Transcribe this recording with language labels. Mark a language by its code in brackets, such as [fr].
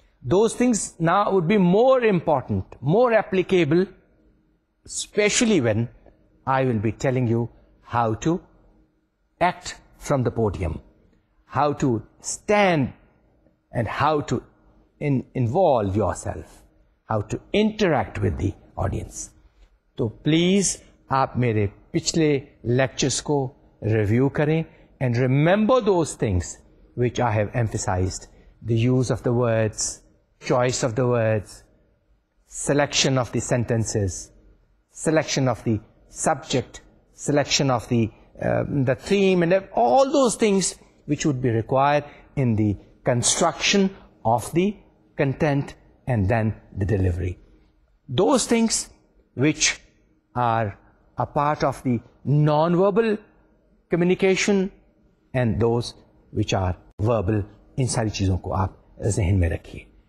[en] Those things now would be more important, more applicable, especially when I will be telling you how to act from the podium, how to stand and how to involve yourself, how to interact with the audience. [ur] تو please آپ میرے پچھلے lectures کو review کریں [en] And remember those things which I have emphasised, the use of the words, choice of the words, selection of the sentences, selection of the subject, selection of the theme and all those things which would be required in the construction of the content and then the delivery. Those things which are a part of the non-verbal communication and those which are verbal, [ur] in sari cheezon ko aap zehen mein rakhiye.